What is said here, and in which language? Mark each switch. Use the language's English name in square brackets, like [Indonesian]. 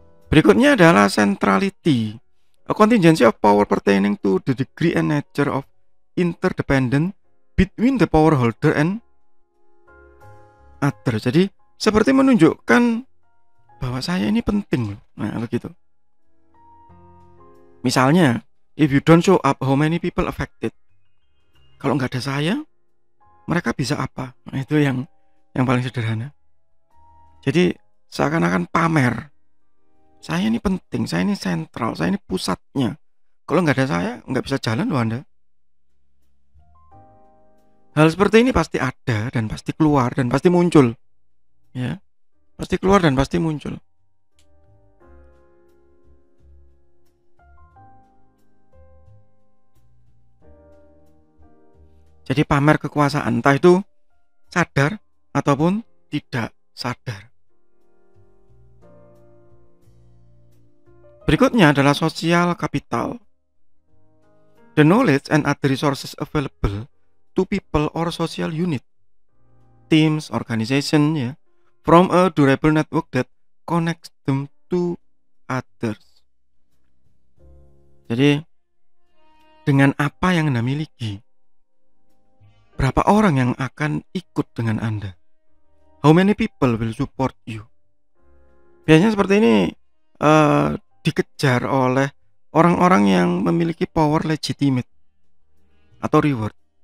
[Indonesian] Berikutnya adalah [English] centrality, a contingency of power pertaining to the degree and nature of interdependence between the power holder and other. [Indonesian] Jadi seperti menunjukkan bahwa saya ini penting. Nah, begitu. Misalnya, [English] if you don't show up, how many people affected? [Indonesian] Kalau nggak ada saya, mereka bisa apa? Nah, itu yang paling sederhana. Jadi seakan-akan pamer. Saya ini penting, saya ini sentral, saya ini pusatnya. Kalau nggak ada saya, nggak bisa jalan loh Anda. Hal seperti ini pasti ada dan pasti keluar dan pasti muncul. Ya. Pasti keluar dan pasti muncul. Jadi pamer kekuasaan, entah itu sadar ataupun tidak sadar. Berikutnya adalah social capital. [English] The knowledge and other resources available to people or social unit, teams, organization, from a durable network that connects them to others. [Indonesian] Jadi, dengan apa yang Anda miliki, berapa orang yang akan ikut dengan Anda? [English] How many people will support you? [Indonesian] Biasanya seperti ini, dikejar oleh orang-orang yang memiliki power legitimate atau reward.